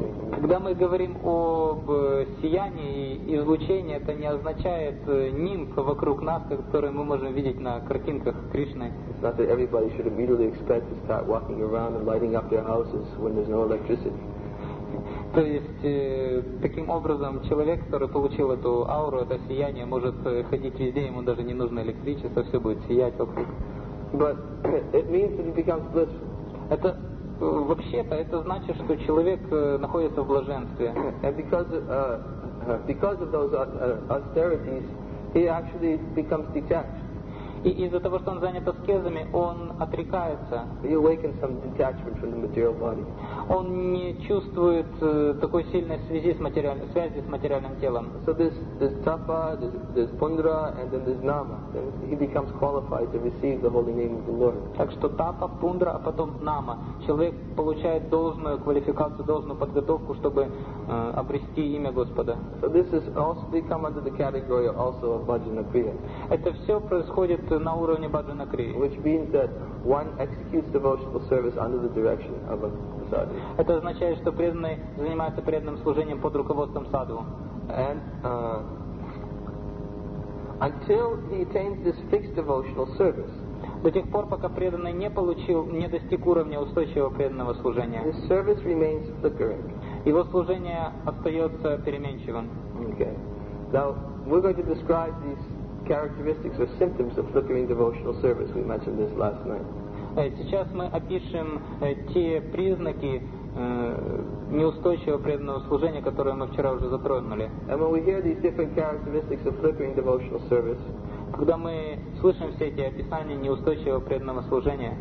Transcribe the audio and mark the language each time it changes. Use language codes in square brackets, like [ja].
[ru] Когда мы говорим об сиянии и излучении, это не означает нимб вокруг нас, который мы можем видеть на картинках Кришны. [en] It's not that everybody should immediately expect to start walking around and lighting up their houses when there's no electricity. [ru] То есть, таким образом, человек, который получил эту ауру, это сияние, может ходить везде, ему даже не нужно электричество, все будет сиять вокруг. [en] But it means that he becomes blissful. [ru] Это вообще-то это значит, что человек находится в блаженстве. [en] And because of those austerities, he actually becomes detached. [ru] И из-за того, что он занят аскезами, он отрекается. [en] He awakens some detachment from the material body. [ru] Он не чувствует такой сильной связи с материальным телом. [en] So there's tapa, there's pundra, and then there's nama. Then he becomes qualified to receive the holy name of the Lord. [ru] Так что тапа, пундра, а потом нама. Человек получает должную квалификацию, должную подготовку, чтобы обрести имя Господа. [en] So this is also become under the category also of bhajana kriya. [ru] Это все происходит на уровне bhajana kriya. [en] Which means that one executes devotional service under the direction of a [ru] Это означает, что преданный занимается преданным служением под руководством садху. [en] And until he attains this fixed devotional service, [ru] до тех пор, пока преданный не достиг уровня устойчивого преданного служения, [en] his service remains flickering. [ru] Его служение остается переменчивым. [en] Okay. Now we're going to describe these characteristics or symptoms of flickering devotional service. We mentioned this last night. [ru] Сейчас мы опишем те признаки неустойчивого преданного служения, которые мы вчера уже затронули. [en] And when we hear these different characteristics of flickering devotional service, [ru] когда мы слышим все эти описания неустойчивого преданного служения,